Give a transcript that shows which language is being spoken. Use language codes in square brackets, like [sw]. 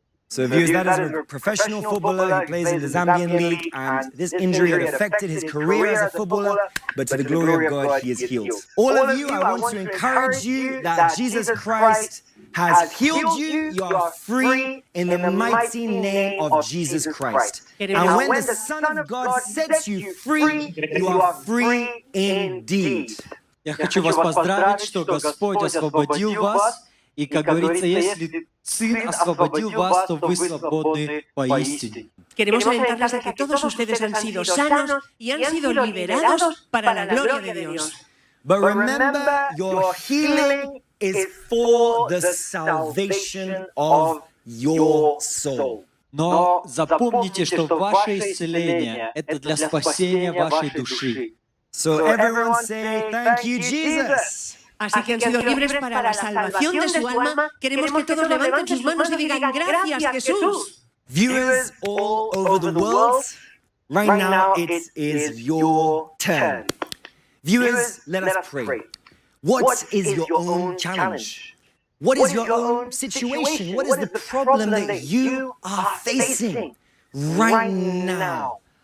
[en] So, viewers, that is a professional footballer who plays in the Zambian League, and this injury had affected his career as a footballer, but to the glory of God, he is healed. All of you, I want to encourage you that Jesus Christ has healed you. You are free in the mighty name of Jesus Christ. And when the Son of God sets you free, you are free indeed. [ru] Я хочу вас поздравить, что Господь освободил вас. И, как говорится, если Сын освободил вас, то вы свободны поистине. [es] Queremos alentarles a que todos ustedes han sido sanos y han sido liberados para la gloria de Dios. [en] But remember, your healing is for the salvation of your soul. [ru] Но запомните, что ваше исцеление – это для спасения вашей души. [en] So everyone say, thank you, Jesus! [es] Así que han sido libres para la salvación de su alma. Queremos que todos levanten sus manos y digan gracias, Jesús. [en] Viewers all over the world, right now it is your turn. Viewers, let us pray. What is your own challenge? What is your own situation? What is the problem that you are facing right now?